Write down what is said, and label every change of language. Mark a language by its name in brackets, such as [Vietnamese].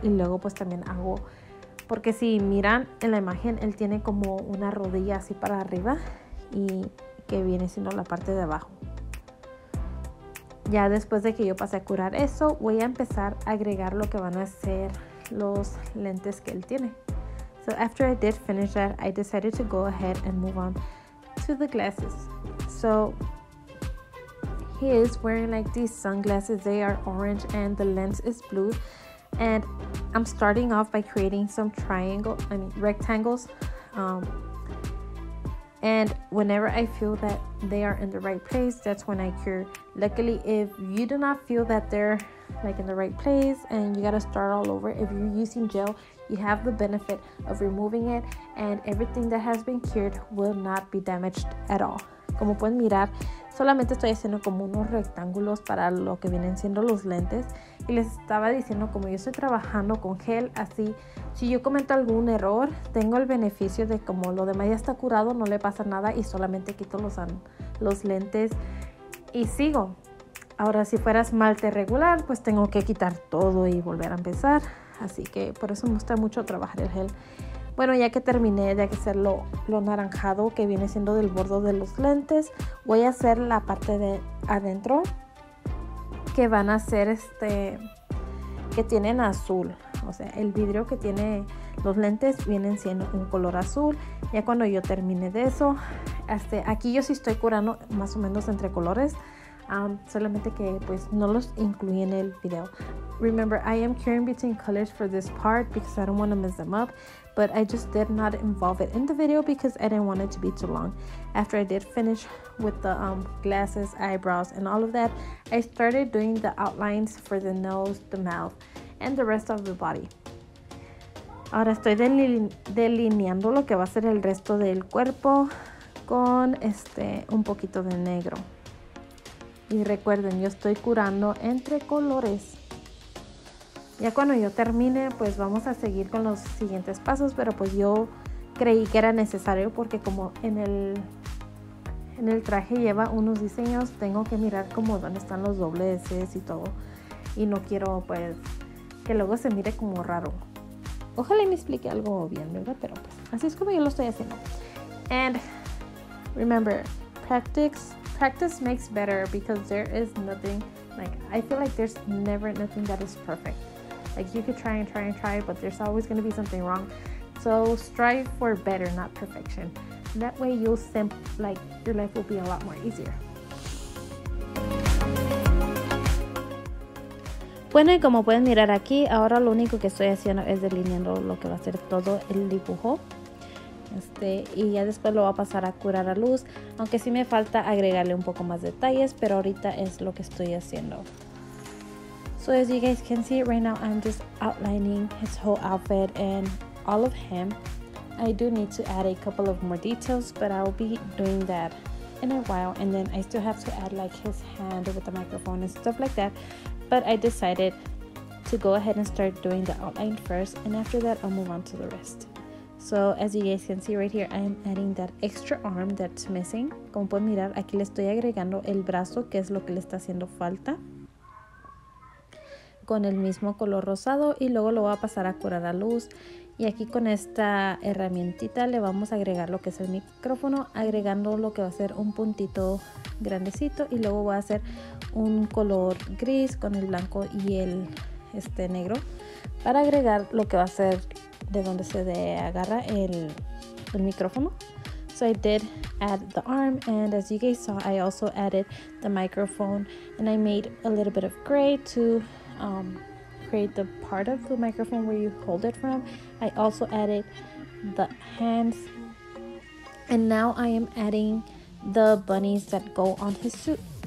[Spanish] Y luego pues también hago... Porque si miran en la imagen, él tiene como una rodilla así para arriba. Y que viene siendo la parte de abajo. Ya después de que yo pasé a curar eso, voy a empezar a agregar lo que van a ser los lentes que él tiene. [English] So after I did finish that, I decided to go ahead and move on to the glasses. So he is wearing like these sunglasses. They are orange and the lens is blue. And I'm starting off by creating some rectangles. And whenever I feel that they are in the right place, that's when I cure. Luckily, if you do not feel that they're like in the right place and you gotta start all over, if you're using gel, you have the benefit of removing it and everything that has been cured will not be damaged at all. [Spanish] Como pueden mirar, solamente estoy haciendo como unos rectángulos para lo que vienen siendo los lentes. Y les estaba diciendo, como yo estoy trabajando con gel, así, si yo cometo algún error, tengo el beneficio de como lo demás ya está curado, no le pasa nada y solamente quito los lentes y sigo. Ahora, si fuera esmalte regular, pues tengo que quitar todo y volver a empezar. Así que por eso me gusta mucho trabajar el gel. Bueno, ya que terminé de hacer lo naranjado que viene siendo del borde de los lentes, voy a hacer la parte de adentro que van a ser este, que tienen azul. O sea, el vidrio que tiene los lentes vienen siendo un color azul. Ya cuando yo terminé de eso, aquí yo sí estoy curando más o menos entre colores. Solamente que pues no los incluí en el video. [English] Remember, I am curing between colors for this part because I don't want to mess them up. But I just did not involve it in the video because I didn't want it to be too long. After I did finish with the glasses, eyebrows, and all of that, I started doing the outlines for the nose, the mouth, and the rest of the body. [Spanish] Ahora estoy delineando lo que va a ser el resto del cuerpo con un poquito de negro. Y recuerden, yo estoy curando entre colores. Ya cuando yo termine, pues vamos a seguir con los siguientes pasos. Pero pues yo creí que era necesario porque como en el traje lleva unos diseños, tengo que mirar como dónde están los dobleces y todo. Y no quiero pues que luego se mire como raro. Ojalá me explique algo bien, ¿verdad? Pero pues así es como yo lo estoy haciendo. [English] And remember, practice makes better because there is nothing, like, I feel like there's never nothing that is perfect. Like, you could try and try and try, but there's always going to be something wrong. So, strive for better, not perfection. That way, you'll simp, like, your life will be a lot more easier. [Spanish] Bueno, y como pueden mirar aquí, ahora lo único que estoy haciendo es delineando lo que va a ser todo el dibujo. Y ya después lo va a pasar a curar a luz. Aunque sí me falta agregarle un poco más detalles, pero ahorita es lo que estoy haciendo. [English] So as you guys can see right now, I'm just outlining his whole outfit and all of him. I do need to add a couple of more details, but I'll be doing that in a while. And then I still have to add like his hand with the microphone and stuff like that. But I decided to go ahead and start doing the outline first. And after that, I'll move on to the rest. So as you guys can see right here, I'm adding that extra arm that's missing. [Spanish] Como pueden mirar, aquí le estoy agregando el brazo, que es lo que le está haciendo falta. Con el mismo color rosado y luego lo voy a pasar a curar a luz. Y aquí con esta herramientita le vamos a agregar lo que es el micrófono, agregando lo que va a ser un puntito grandecito. Y luego voy a hacer un color gris con el blanco y el negro para agregar lo que va a ser de donde se agarra el micrófono. [English] So I did add the arm, and as you guys saw, I also added the microphone, and I made a little bit of gray to create the part of the microphone where you hold it from. I also added the hands, and now I am adding the bunnies that go on his suit.